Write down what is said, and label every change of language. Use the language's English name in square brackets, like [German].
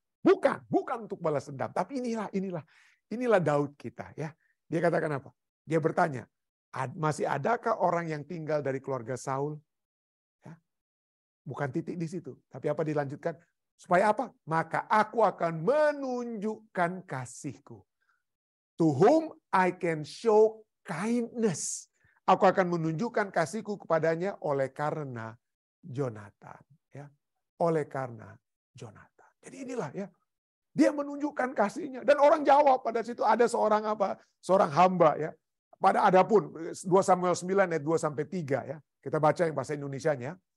[Indonesian] Bukan untuk balas dendam. Tapi inilah Daud kita. Ya. Dia katakan apa? Dia bertanya, masih adakah orang yang tinggal dari keluarga Saul? Ya. Bukan titik di situ. Tapi apa dilanjutkan? Supaya apa? Maka aku akan menunjukkan kasihku. [English] To whom I can show kindness. [Indonesian] Aku akan menunjukkan kasihku kepadanya oleh karena Jonathan. Ya. Oleh karena Jonathan. Jadi inilah ya. Dia menunjukkan kasihnya. Dan orang jawab pada situ ada seorang apa? Seorang hamba ya. Pada adapun 2 Samuel 9 ayat 2 sampai 3 ya. Kita baca yang bahasa Indonesianya.